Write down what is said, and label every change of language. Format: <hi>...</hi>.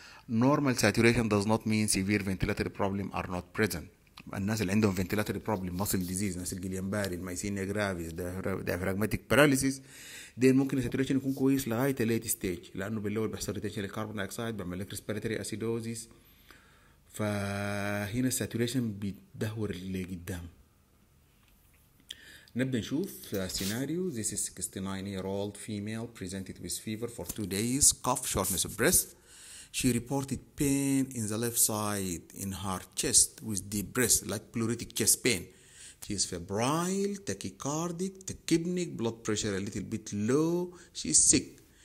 <en>normal saturation does not mean severe ventilatory problem are not present.</en> <ar>الناس اللي عندهم</ar> <en>ventilatory problem, muscle disease,</en> <ar>ناس الجليان باري, الميسينيا جرافيس,</ar> <en>diaphragmatic paralysis,</en> <ar>دين ممكن الساتوريشن يكون كويس لغاية</ar> <en>late stage,</en> <ar>لأنه بالأول بيحصل retention للكربون دايكسايد, بيعمل لك</ar> <en>respiratory acidosis,</en> <ar>فهنا الساتوريشن بيدهور اللي قدام. نبدأ نشوف سيناريو.</ar> <en>This is 69-year-old female presented with fever for 2 days, cough, shortness of breath. She reported pain in the left side in her chest with deep breath, like pleuritic chest pain. She is febrile, tachycardic, tachypneic, blood pressure a little bit low. She is sick.</en>